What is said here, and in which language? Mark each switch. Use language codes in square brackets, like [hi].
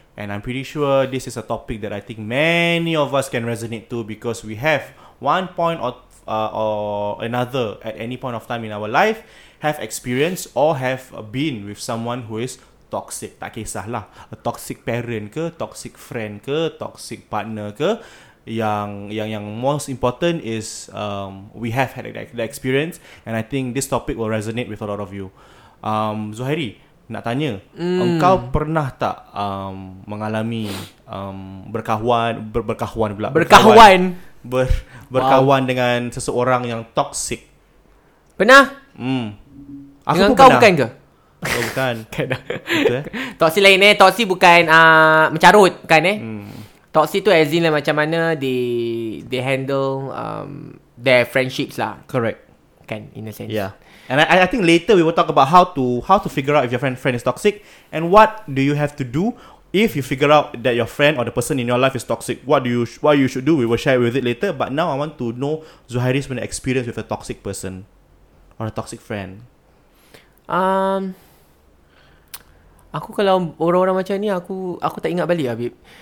[en] And I'm pretty sure this is a topic that I think many of us can resonate to because we have one point or another at any point of time in our life have experienced or have been with someone who is toxic. [ms] Tak kisahlah, [en] a toxic parent ke, toxic friend ke, toxic partner ke. [ms] Yang [en] most important is we have had that experience, and I think this topic will resonate with a lot of you. [ms] Zuhairi, nak tanya, engkau pernah tak mengalami berkawan dengan seseorang yang toxic? Pernah? Aku dengan pun kau pernah. Bukan ke? Oh, bukan. Toxic lain eh. Toxic bukan mencarut, bukan eh. [en] Toxic tu as in lah, [ms] macam mana [en] they handle their friendships lah. Correct. Kan, in a sense. Yeah. And I think later we will talk about how to figure out if your friend is toxic, and what do you have to do if you figure out that your friend or the person in your life is toxic. What you should do, we will share with it later. But now I want to know Zuhairi's experience with a toxic person or a toxic friend. [ms] Aku kalau orang-orang macam ni, aku tak ingat balik lah, babe.